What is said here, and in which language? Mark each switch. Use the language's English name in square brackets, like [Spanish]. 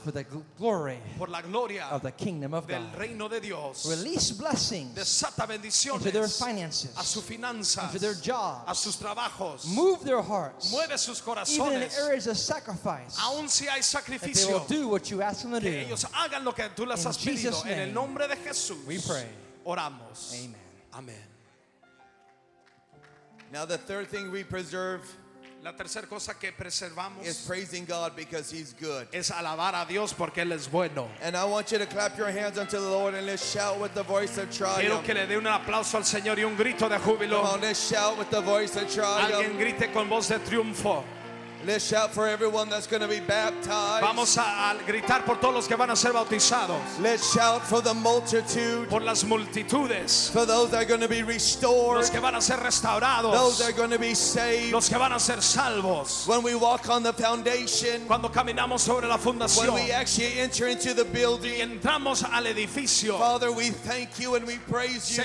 [English] for the glory, [Spanish] por la gloria, [English] of the kingdom of [Spanish] del [English] God, [Spanish] reino de Dios. [English] Release blessings, [Spanish] desata bendiciones, [English] into their finances, [Spanish] a sus finanzas, [English] into their jobs, [Spanish] a sus trabajos, [English] move their hearts, [Spanish] mueve sus corazones, [English] even in areas of sacrifice, [Spanish] aun si hay sacrificio, [English] that they will do what you ask them to do, [Spanish] que ellos hagan lo que tú las has [English] Jesus name, [Spanish] en el nombre de Jesús, [English] we pray. [Spanish] Oramos. [English] Amen. [Spanish] Amen. [English] Now the third thing we preserve, [Spanish] la tercera cosa que preservamos, [English] is praising God because He's good. [Spanish] Es alabar a Dios porque Él es bueno. [English] And I want you to clap your hands unto the Lord and let's shout with the voice of triumph. [Spanish] Quiero que le dé un aplauso al Señor y un grito de júbilo. [English] Come on, let's shout with the voice of triumph. [Spanish] Alguien grite con voz de triunfo. [English] Let's shout for everyone that's going to be baptized. [Spanish] Vamos a gritar por todos los que van a ser bautizados. [English] Let's shout for the multitude. [Spanish] Por las multitudes. [English] For those that are going to be restored. [Spanish] Los que van a ser restaurados. [English] Those that are going to be saved. [Spanish] Los que van a ser salvos. [English] When we walk on the foundation. [Spanish] Cuando caminamos sobre la fundación. [English] When we actually enter into the building. [Spanish] Y entramos al edificio. [English] Father, we thank you and we praise you.